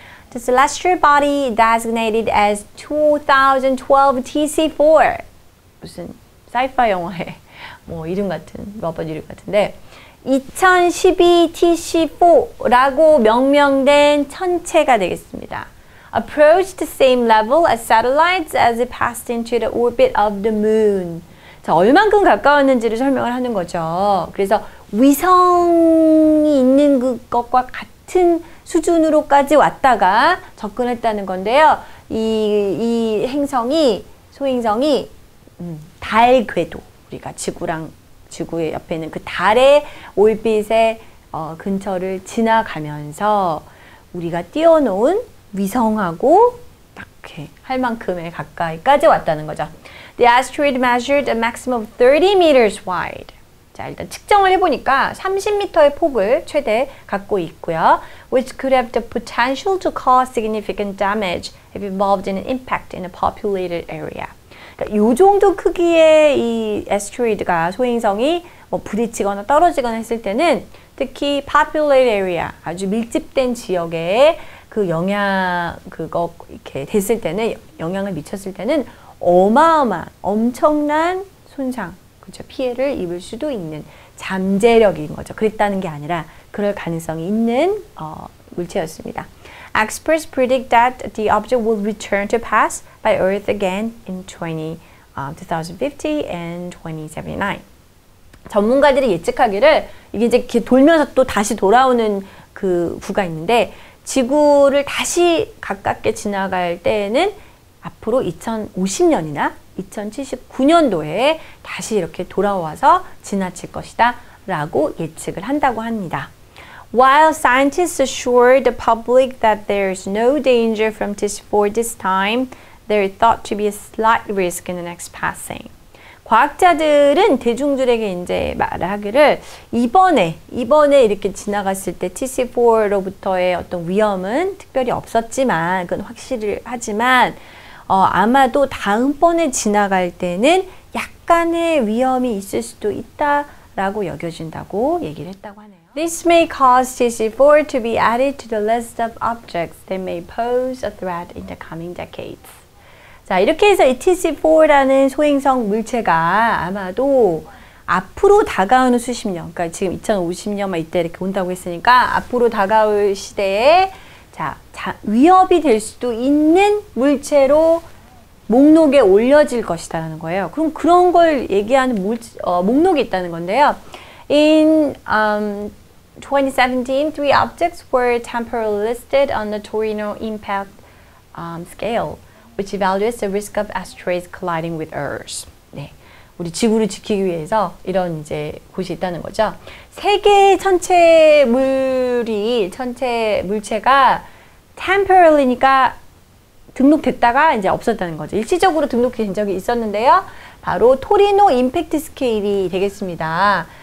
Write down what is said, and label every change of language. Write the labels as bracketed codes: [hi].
[en] The celestial body designated as 2012 TC4. [ko] 무슨 사이파 영화의 뭐 이름 같은, 로봇 이름 같은데. 2012 TC4라고 명명된 천체가 되겠습니다. [en] Approached the same level as satellites as it passed into the orbit of the moon. [ko] 자, 얼만큼 가까웠는지를 설명을 하는 거죠. 그래서 위성이 있는 것과 같은 수준으로까지 왔다가 접근했다는 건데요. 이 행성이, 소행성이 달 궤도, 우리가 지구랑 지구의 옆에 있는 그 달의 올빛의 근처를 지나가면서 우리가 띄워놓은 위성하고 이렇게 할 만큼의 가까이까지 왔다는 거죠. [en] The asteroid measured a maximum of 30 meters wide. [ko] 자, 일단 측정을 해보니까 30m의 폭을 최대 갖고 있고요. [en] Which could have the potential to cause significant damage if involved in an impact in a populated area. [ko] 그러니까 이 정도 크기의 이 asteroid가, 소행성이 뭐 부딪히거나 떨어지거나 했을 때는 특히 [en] populated area, [ko] 아주 밀집된 지역에 그 영향, 그거 이렇게 됐을 때는, 영향을 미쳤을 때는 어마어마한, 엄청난 손상, 그렇죠? 피해를 입을 수도 있는 잠재력인 거죠. 그랬다는 게 아니라 그럴 가능성이 있는 물체였습니다. [en] Experts predict that the object will return to pass by Earth again in 2050 and 2079. [ko] 전문가들이 예측하기를 이게 이제 이렇게 돌면서 또 다시 돌아오는 그 구가 있는데 지구를 다시 가깝게 지나갈 때에는 앞으로 2050년이나 2079년도에 다시 이렇게 돌아와서 지나칠 것이다 라고 예측을 한다고 합니다. [en] While scientists assured the public that there is no danger from TC4 this time, there is thought to be a slight risk in the next passing. [ko] 과학자들은 대중들에게 이제 말을 하기를 이번에 이렇게 지나갔을 때 TC4로부터의 어떤 위험은 특별히 없었지만, 그건 확실하지만 아마도 다음번에 지나갈 때는 약간의 위험이 있을 수도 있다라고 여겨진다고 얘기를 했다고 하네요. [en] This may cause TC4 to be added to the list of objects that may pose a threat in the coming decades. [ko] 자, 이렇게 해서 이 TC4라는 소행성 물체가 아마도 앞으로 다가오는 수십 년, 그러니까 지금 2050년 막 이때 이렇게 온다고 했으니까 앞으로 다가올 시대에 위협이 될 수도 있는 물체로 목록에 올려질 것이다라는 거예요. 그럼 그런 걸 얘기하는 목록이 있다는 건데요. [en] In 2017, three objects were temporarily listed on the Torino Impact Scale, which evaluates the risk of asteroids colliding with Earth. [ko] 네, 우리 지구를 지키기 위해서 이런 이제 곳이 있다는 거죠. 세 개의 천체 물체가 temporarily니까 등록됐다가 이제 없었다는 거죠. 일시적으로 등록된 적이 있었는데요. 바로 토리노 임팩트 스케일이 되겠습니다.